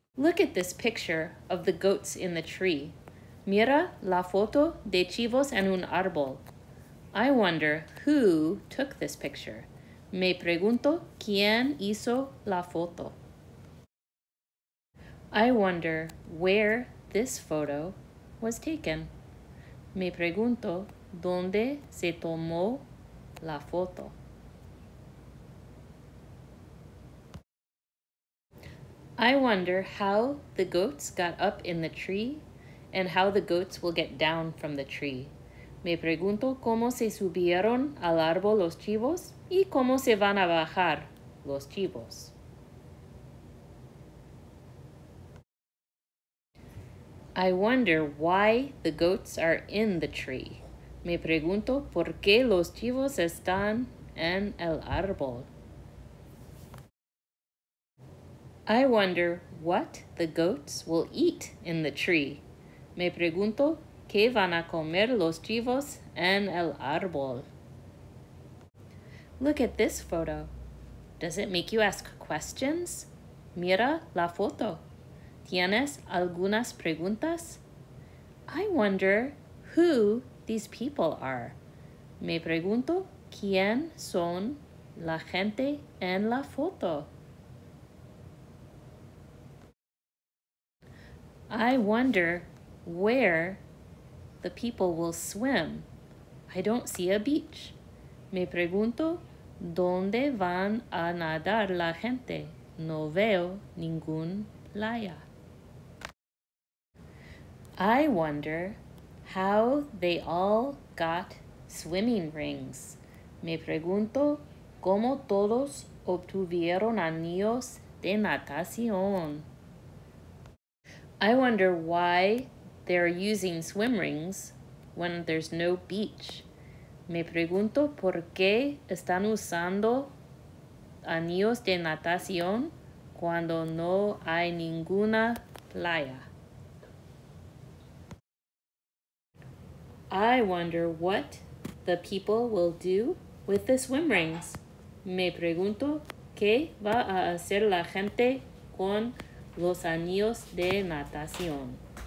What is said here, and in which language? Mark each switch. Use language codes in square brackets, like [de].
[en] Look at this picture of the goats in the tree. [es] Mira la foto de chivos en un árbol. [en] I wonder who took this picture. [es] Me pregunto quién hizo la foto. [en] I wonder where this photo was taken. [es] Me pregunto dónde se tomó la foto. [en] I wonder how the goats got up in the tree and how the goats will get down from the tree. [es] Me pregunto cómo se subieron al árbol los chivos y cómo se van a bajar los chivos. [en] I wonder why the goats are in the tree. [es] Me pregunto por qué los chivos están en el árbol. [en] I wonder what the goats will eat in the tree. [es] Me pregunto qué van a comer los chivos en el árbol. [en] Look at this photo. Does it make you ask questions? [es] Mira la foto. ¿Tienes algunas preguntas? [en] I wonder who these people are. [es] Me pregunto quién son la gente en la foto. [en] I wonder where the people will swim. I don't see a beach. [es] Me pregunto dónde van a nadar la gente. No veo ningún playa. [en] I wonder how they all got swimming rings. [es] Me pregunto cómo todos obtuvieron anillos de natación. [en] I wonder why they're using swim rings when there's no beach. [es] Me pregunto por qué están usando anillos de natación cuando no hay ninguna playa. [en] I wonder what the people will do with the swim rings. [es] Me pregunto qué va a hacer la gente con los anillos de natación.